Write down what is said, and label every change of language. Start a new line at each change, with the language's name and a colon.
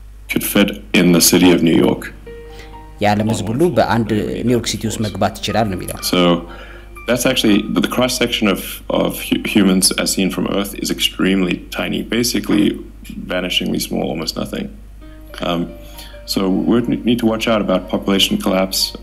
English: could fit in the city of New York.
Amharic: የዓለም ህዝብ ሁሉ በአንድ ኒውዮርክ ሲቲ ውስጥ መግባት ይችላል ነው የሚለው።
English: So that's actually the cross section of humans as seen from Earth is extremely tiny, basically vanishingly small, almost nothing. So we need to watch out about population collapse.